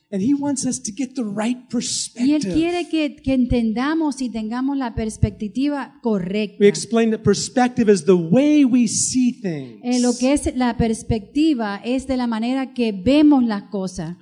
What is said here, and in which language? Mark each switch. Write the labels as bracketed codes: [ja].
[en] And He wants us to get the right perspective. [es] Y Él quiere que entendamos y tengamos la perspectiva correcta. [en] We explained that perspective is the way we see things. [es] Lo que es la perspectiva es de la manera que vemos las cosas.